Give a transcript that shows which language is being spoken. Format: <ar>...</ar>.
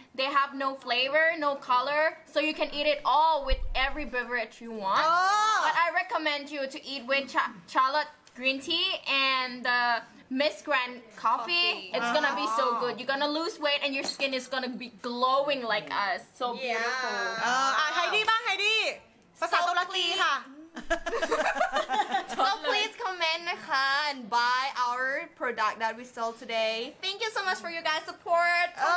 <en>They have no flavor, no color, so you can eat it all with every beverage you want. But I recommend you to eat with Charlotte green tea and the Miss Grand coffee. It's gonna be so good. You're gonna lose weight and your skin is gonna be glowing like us. So beautiful. Yeah.</en> <th>Heidi บ้าง Heidi ภาษาตุรกีค่ะ</th> <en>So please comment</en> <th>นะคะ</th> <en>and buy our product that we sell today. Thank you so much for your guys' support.</en>